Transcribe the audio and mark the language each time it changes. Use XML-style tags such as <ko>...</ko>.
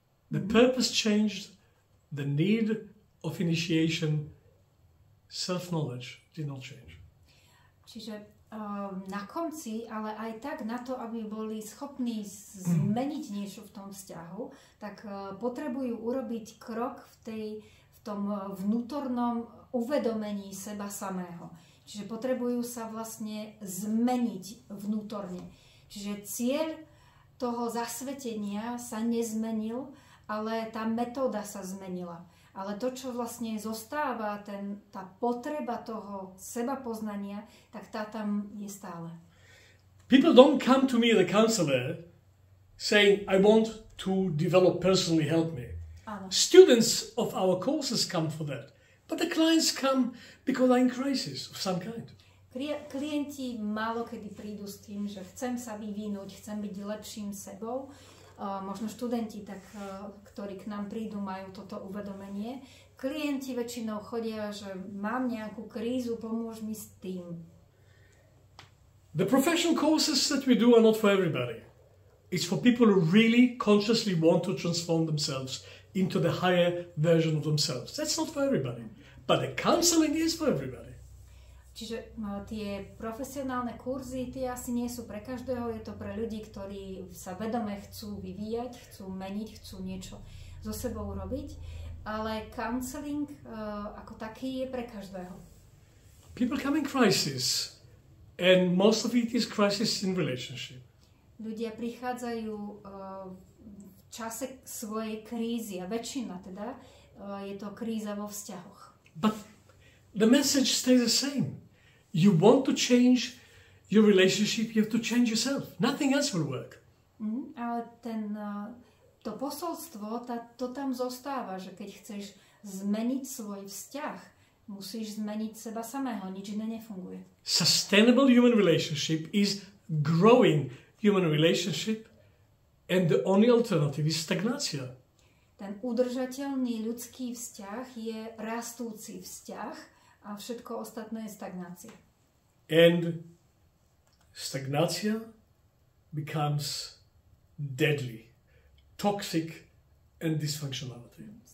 <en>The purpose changed, the need of initiation, self-knowledge did not change.</en> <sk>Čiže na konci, ale aj tak na to, aby boli schopní zmeniť niečo v tom vzťahu, tak potrebujú urobiť krok v tom vnútornom uvedomení seba samého. Čiže potrebujú sa vlastne zmeniť vnútorne. Čiže cieľ toho zasvetenia sa nezmenil, ale tá metóda sa zmenila. Ale to, čo vlastne zostáva, tá potreba toho sebapoznania, tak tá tam je stále.</sk> <en>People don't come to me as a counselor saying, I want to develop personally, help me.</en> <sk>Áno.</sk> <en>Students of our courses come for that. But the clients come because I'm in crisis of some kind.</en> <sk>Klienti málokedy prídu s tým, že chcem sa vyvinúť, chcem byť lepším sebou. Možno študenti, tak, ktorí k nám prídu, majú toto uvedomenie. Klienti väčšinou chodia, že mám nejakú krízu, pomôž mi s tým.</sk> <en>The professional courses that we do are not for everybody. It's for people who really consciously want to transform themselves into the higher version of themselves. That's not for everybody. But the counseling is for everybody.</en> <sk>Čiže tie profesionálne kurzy, tie asi nie sú pre každého, je to pre ľudí, ktorí sa vedome chcú vyvíjať, chcú meniť, chcú niečo so sebou robiť, ale counseling ako taký je pre každého.</sk> <en>People come in crisis and most of it is crisis in relationship.</en> <sk>Ľudia prichádzajú v čase svojej krízy a väčšina teda je to kríza vo vzťahoch.</sk> <en>But the message stays the same. You want to change your relationship, you have to change yourself. Nothing else will work.</en> <sk>Ale to posolstvo, to tam zostáva, že keď chceš zmeniť svoj vzťah, musíš zmeniť seba samého, nič iné nefunguje.</sk> <en>Sustainable human relationship is growing human relationship and the only alternative is stagnácia.</en> <sk>Ten udržateľný ľudský vzťah je rastúci vzťah, a všetko ostatné je stagnácia.</sk> <en>And stagnácia becomes deadly, toxic and dysfunctionality.</en>